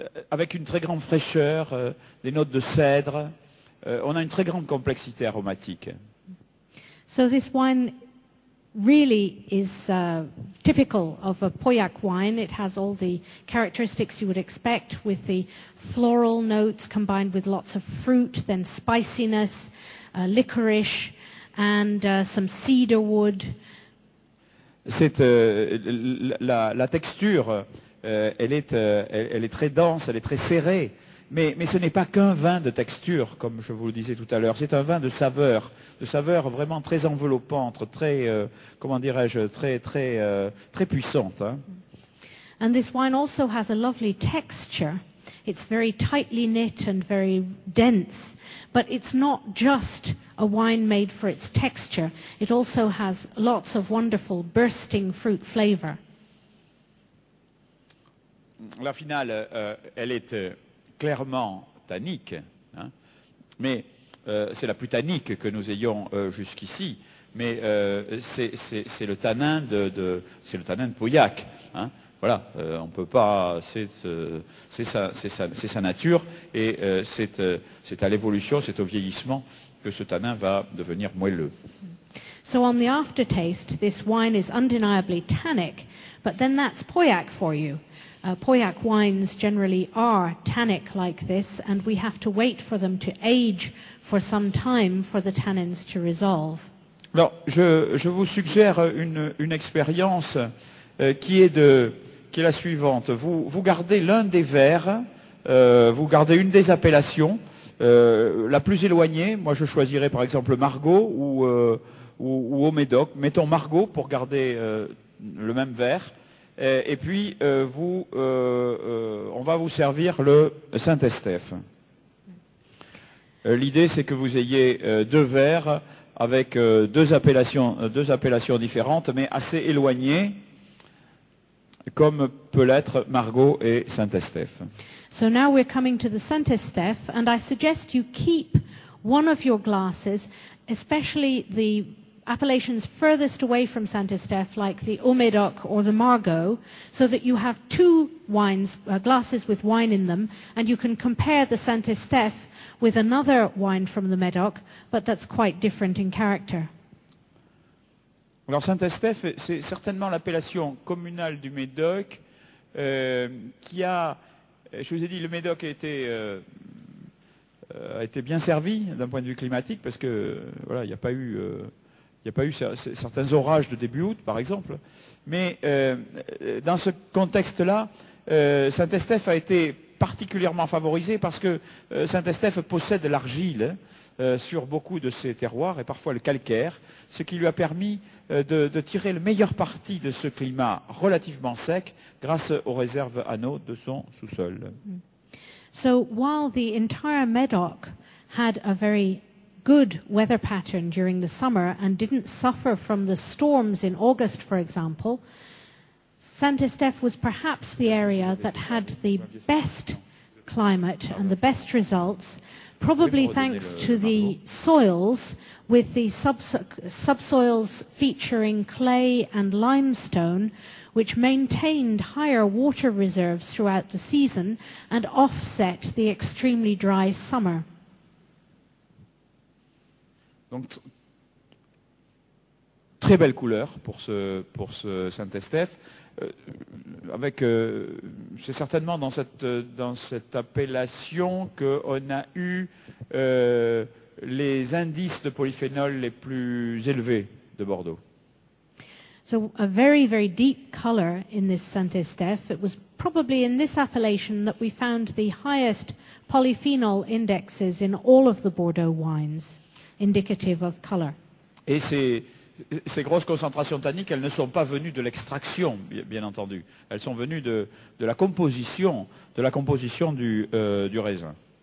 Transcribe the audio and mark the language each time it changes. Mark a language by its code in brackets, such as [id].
[fr] Avec une très grande fraîcheur, des notes de cèdre, on a une très grande complexité aromatique. [en] So this wine really is typical of a Pauillac wine. It has all the characteristics you would expect with the floral notes combined with lots of fruit, then spiciness, licorice, and some cedar wood. [fr] C'est la texture. Elle est très dense, elle est très serrée, mais ce n'est pas qu'un vin de texture, comme je vous le disais tout à l'heure. C'est un vin de saveur vraiment très enveloppante, très comment dirais-je, très puissante. Hein. [en] And this wine also has a lovely texture. It's very tightly knit and very dense, but it's not just a wine made for its texture. It also has lots of wonderful bursting fruit flavor. [fr] La finale, elle est clairement tannique, hein, mais c'est la plus tannique que nous ayons jusqu'ici. Mais c'est le tannin c'est le tannin de Pauillac. Hein, voilà, on peut pas, c'est sa nature, et c'est à l'évolution, c'est au vieillissement que ce tannin va devenir moelleux. [en] So on the aftertaste, this wine is undeniably tannic, but then that's Pauillac for you. Pauillac wines generally are tannic like this, and we have to wait for them to age for some time for the tannins to resolve. [fr] Alors, je vous suggère une expérience qui est la suivante. Vous gardez l'un des verres, vous gardez une des appellations, la plus éloignée. Moi, je choisirais par exemple Margaux ou au Médoc. Mettons Margaux pour garder le même verre. Et puis, on va vous servir le Saint-Estèphe. L'idée, c'est que vous ayez deux verres avec deux appellations différentes, mais assez éloignées, comme peut l'être Margaux et Saint-Estèphe. [en] So now we're coming to the Saint-Estèphe, and I suggest you keep one of your glasses, especially the appellations furthest away from Saint-Estèphe, like the Haut Médoc or the Margaux, so that you have two wines, glasses with wine in them, and you can compare the Saint-Estèphe with another wine from the Médoc, but that's quite different in character. [fr] Alors Saint-Estèphe, c'est certainement l'appellation communale du Médoc qui a, je vous ai dit, le Médoc a été bien servi d'un point de vue climatique parce que voilà, il n'y a pas eu certains orages de début août, par exemple. Mais dans ce contexte-là, Saint-Estèphe a été particulièrement favorisé parce que Saint-Estèphe possède l'argile sur beaucoup de ses terroirs et parfois le calcaire, ce qui lui a permis de tirer le meilleur parti de ce climat relativement sec grâce aux réserves en eau de son sous-sol. [en] So while the entire Médoc had a very good weather pattern during the summer and didn't suffer from the storms in August, for example, Saint-Estèphe was perhaps the area that had the best climate and the best results, probably thanks to the soils, with the subsoils featuring clay and limestone, which maintained higher water reserves throughout the season and offset the extremely dry summer. [fr] Donc, très belle couleur pour ce Saint-Estèphe. C'est certainement dans cette appellation qu'on a eu les indices de polyphénol les plus élevés de Bordeaux. [en] So a very, very deep color in this Saint-Estèphe. It was probably in this appellation that we found the highest polyphenol indexes in all of the Bordeaux wines, indicative of color. [fr] Et ces grosses concentrations tanniques, elles ne sont pas venues de l'extraction, bien entendu. Elles sont venues de la composition du raisin.